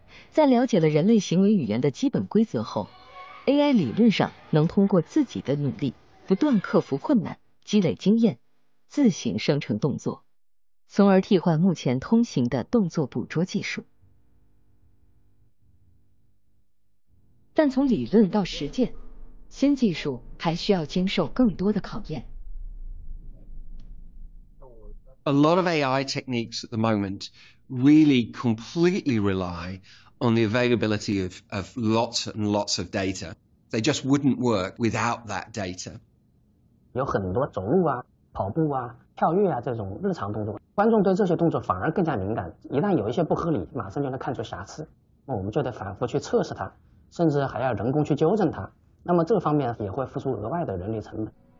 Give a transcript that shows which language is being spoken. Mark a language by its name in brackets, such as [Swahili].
[Chinese] 在了解了人类行为语言的基本规则后， AI 理论上能通过自己的努力不断克服困难，积累经验，自行生成动作，从而替换目前通行的动作捕捉技术。但从理论到实践，新技术还需要经受更多的考验。 [English] A lot of AI techniques at the moment really completely relyon the availability of lots and lots of data. They just wouldn't work without that data. [Chinese] 有很多走路啊，跑步啊，跳跃啊，这种日常动作，观众对这些动作反而更加敏感，一旦有一些不合理，马上就能看出瑕疵，那我们就得反复去测试它，甚至还要人工去纠正它，那么这方面也会付出额外的人力成本。